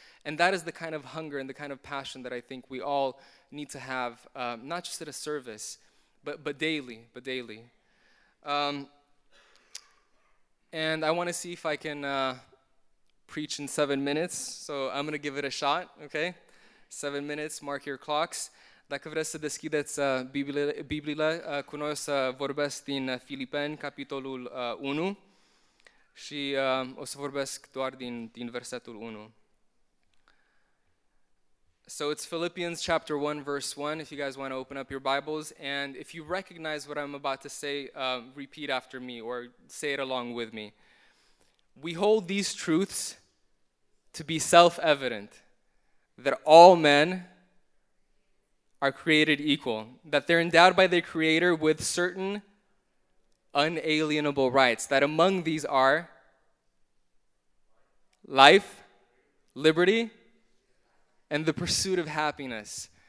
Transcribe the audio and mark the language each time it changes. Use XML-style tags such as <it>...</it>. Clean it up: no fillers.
<en>And that is the kind of hunger and the kind of passion that I think we all need to have, not just at a service, but daily. And I want to see if I can preach in 7 minutes, so I'm going to give it a shot, okay? 7 minutes, mark your clocks.</en> <ro>Dacă vreți să deschideți Biblia, cu noi o să vorbesc din Filipeni, capitolul 1, și o să vorbesc doar din versetul 1.</ro> <en>So it's Philippians chapter 1, verse 1, if you guys want to open up your Bibles. And if you recognize what I'm about to say, repeat after me or say it along with me. We hold these truths to be self-evident, that all men are created equal, that they're endowed by their Creator with certain unalienable rights, that among these are life, liberty, and the pursuit of happiness.</en>